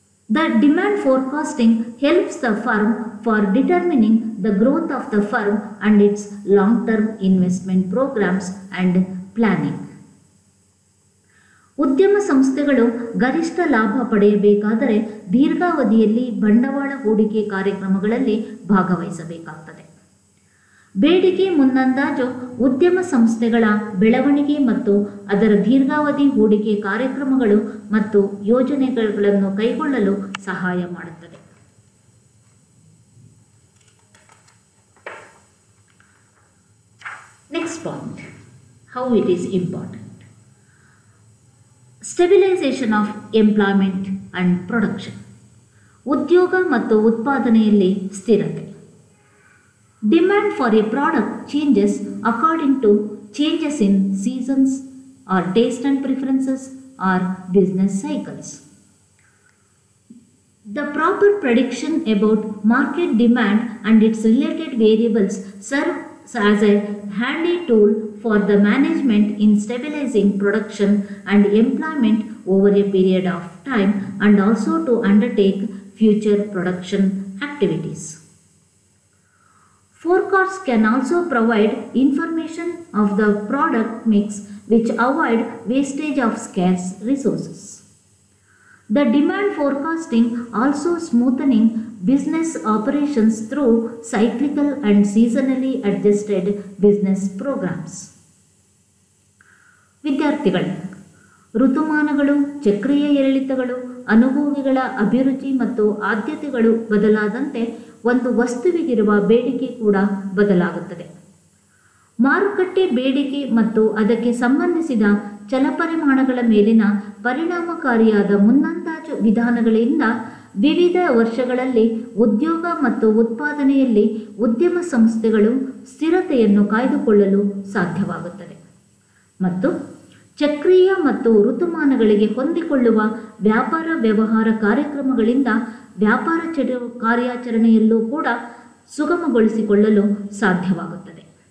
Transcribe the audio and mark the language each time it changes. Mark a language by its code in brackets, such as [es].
[en] The demand forecasting helps the firm for determining the growth of the firm and its long-term investment programs and planning. [kn] ಉದ್ಯಮ ಸಂಸ್ಥೆಗಳು ಗರಿಷ್ಠ ಲಾಭ ಪಡೆಯಬೇಕಾದರೆ ದೀರ್ಘಾವಧಿಯಲ್ಲಿ ಬಂಡವಾಳ ಹೂಡಿಕೆ ಕಾರ್ಯಕ್ರಮಗಳಲ್ಲಿ ಭಾಗವಹಿಸಬೇಕಾಗುತ್ತದೆ. ಬೇಡಿಕೆ ಮುನ್ನಂದಾಜು ಉದ್ಯಮ ಸಂಸ್ಥೆಗಳ ಬೆಳವಣಿಗೆ ಮತ್ತು ಅದರ ದೀರ್ಘಾವಧಿ ಹೂಡಿಕೆ ಕಾರ್ಯಕ್ರಮಗಳು ಮತ್ತು ಯೋಜನೆಗಳನ್ನು ಕೈಗೊಳ್ಳಲು ಸಹಾಯ ಮಾಡುತ್ತದೆ. [en] next point, how it is important, stabilisation of employment and production, [kn] ಉದ್ಯೋಗ ಮತ್ತು ಉತ್ಪಾದನೆಯಲ್ಲಿ ಸ್ಥಿರತೆ. [en] Demand for a product changes according to changes in seasons or taste and preferences or business cycles. The proper prediction about market demand and its related variables serves as a handy tool for the management in stabilizing production and employment over a period of time and also to undertake future production activities. Forecasts can also provide information of the product mix which avoid wastage of scarce resources. The demand forecasting also smoothening business operations through cyclical and seasonally adjusted business programs. [kn] ವಿದ್ಯಾರ್ಥಿಗಳೇ, ಋತುಮಾನಗಳು, ಚಕ್ರೀಯ ಏರಿಳಿತಗಳು, ಅನುಭವಿಗಳ ಅಭಿರುಚಿ ಮತ್ತು ಆದ್ಯತೆಗಳು ಬದಲಾದಂತೆ ಒಂದು ವಸ್ತುವಿಗಿರುವ ಬೇಡಿಕೆ ಕೂಡ ಬದಲಾಗುತ್ತದೆ. ಮಾರುಕಟ್ಟೆ ಬೇಡಿಕೆ ಮತ್ತು ಅದಕ್ಕೆ ಸಂಬಂಧಿಸಿದ ಚಲಪರಿಮಾಣಗಳ ಮೇಲಿನ ಪರಿಣಾಮಕಾರಿಯಾದ ಮುನ್ನಂದಾಜು ವಿಧಾನಗಳಿಂದ ವಿವಿಧ ವರ್ಷಗಳಲ್ಲಿ ಉದ್ಯೋಗ ಮತ್ತು ಉತ್ಪಾದನೆಯಲ್ಲಿ ಉದ್ಯಮ ಸಂಸ್ಥೆಗಳು ಸ್ಥಿರತೆಯನ್ನು ಕಾಯ್ದುಕೊಳ್ಳಲು ಸಾಧ್ಯವಾಗುತ್ತದೆ ಮತ್ತು ಚಕ್ರೀಯ ಮತ್ತು ಋತುಮಾನಗಳಿಗೆ ಹೊಂದಿಕೊಳ್ಳುವ ವ್ಯಾಪಾರ ವ್ಯವಹಾರ ಕಾರ್ಯಕ್ರಮಗಳಿಂದ ವ್ಯಾಪಾರ ಕಾರ್ಯಾಚರಣೆಯಲ್ಲೂ ಕೂಡ ಸುಗಮಗೊಳಿಸಿಕೊಳ್ಳಲು ಸಾಧ್ಯವಾಗುತ್ತದೆ.